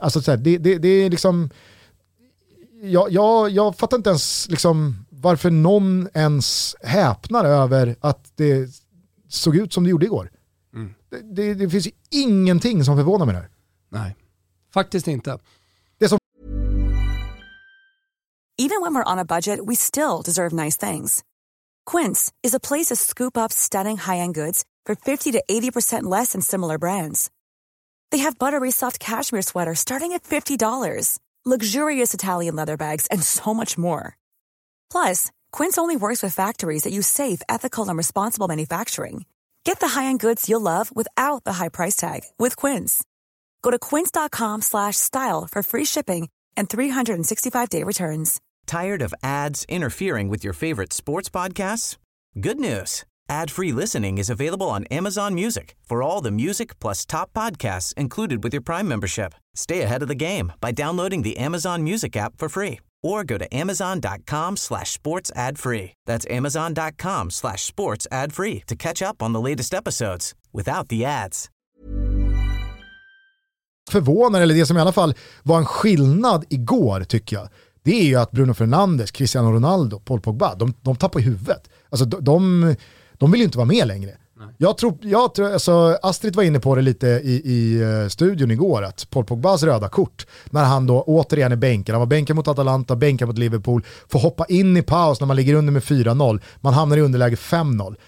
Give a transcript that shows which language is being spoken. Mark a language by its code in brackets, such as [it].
[sv] Alltså, det är liksom... Jag fattar inte ens liksom, varför någon ens häpnar över att det såg ut som det gjorde igår. Det finns ju ingenting som förvånar mig där. Nej, faktiskt inte. Det som... [en] Even when we're on a budget, we still deserve nice things. Quince is a place to scoop up stunning high-end goods for 50 to 80% less than similar brands. They have buttery soft cashmere sweaters starting at $50, luxurious Italian leather bags, and so much more. Plus, Quince only works with factories that use safe, ethical, and responsible manufacturing. Get the high-end goods you'll love without the high price tag with Quince. Go to quince.com/style for free shipping and 365-day returns. Tired of ads interfering with your favorite sports podcasts? Good news. Ad-free listening is available on Amazon Music for all the music plus top podcasts included with your Prime membership. Stay ahead of the game by downloading the Amazon Music app for free or go to amazon.com/sportsadfree. That's amazon.com/sportsadfree to catch up on the latest episodes without the ads. [sv] Förvånar, eller det som i alla fall var en skillnad igår tycker jag, det är ju att Bruno Fernandes, Cristiano Ronaldo, Paul Pogba, de tappar huvudet. Alltså de vill ju inte vara med längre. Nej. Jag tror, alltså Astrid var inne på det lite i studion igår, att Paul Pogbas röda kort, när han då återigen är bänken, han var bänken mot Atalanta, bänken mot Liverpool, får hoppa in i paus när man ligger under med 4-0, man hamnar i underläge 5-0.